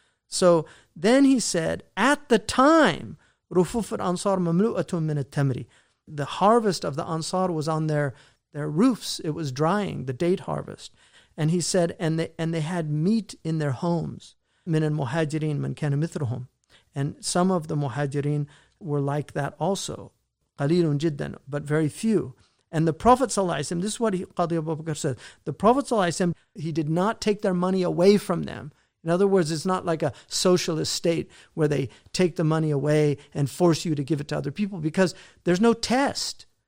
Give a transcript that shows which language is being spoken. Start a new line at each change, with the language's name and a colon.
English: So, then he said, at the time,
Arabic: رفوف الأنصار مملوءة من التمر.
English: The harvest of the Ansar was on their roofs. It was drying, the date harvest. And he said, and they had meat in their homes.
Arabic: من المهاجرين من كان مثلهم.
English: And some of the مهاجرين were like that also.
Arabic: قَلِيلٌ جِدًّا,
English: but very few. And the Prophet ﷺ, this is what Qadi Abu Bakr says, the Prophet ﷺ, he did not take their money away from them. In other words, it's not like a socialist state where they take the money away and force you to give it to other people, because there's no test.